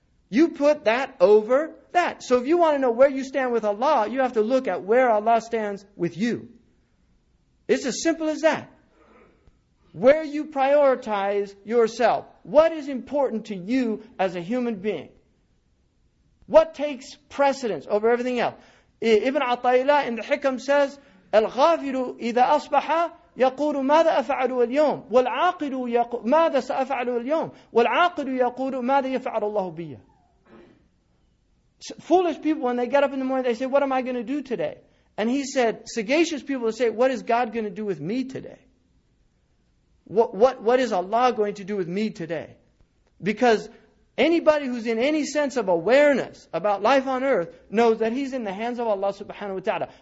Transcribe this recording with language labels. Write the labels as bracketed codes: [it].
[en] You put that over that. So if you want to know where you stand with Allah, you have to look at where Allah stands with you. It's as simple as that. Where you prioritize yourself. What is important to you as a human being? What takes precedence over everything else? Ibn Atayla in the Hikam says, [ar] الغافر إذا أصبح يقول ماذا أفعل اليوم والعاقل يقول ماذا سأفعل اليوم والعاقل يقول ماذا يفعل الله بي. [en] Foolish people, when they get up in the morning, they say, what am I going to do today? And he said, sagacious people say, what is God going to do with me today? What is Allah going to do with me today? Because anybody who's in any sense of awareness about life on earth knows that he's in the hands of Allah subhanahu wa ta'ala.